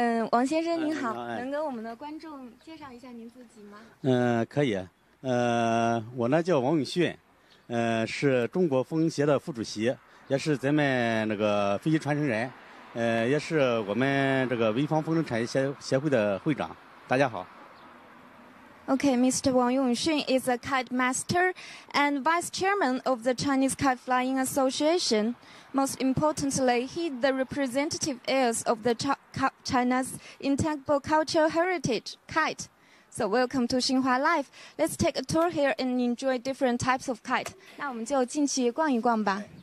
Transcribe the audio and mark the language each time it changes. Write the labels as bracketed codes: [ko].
[zh] 王先生您好，能跟我们的观众介绍一下您自己吗？可以，我呢叫王永旭，是中国风协的副主席。也是咱们那个飞机传承人，也是我们这个潍坊风筝产业协会的会长。大家好。 [en] Okay, Mr. Wang Yongxun is a kite master and vice chairman of the Chinese Kite Flying Association. Most importantly, he the representative heirs of the China's intangible cultural heritage, kite. So welcome to Xinhua Live. Let's take a tour here and enjoy different types of kite. [zh] 那我们就进去逛一逛吧。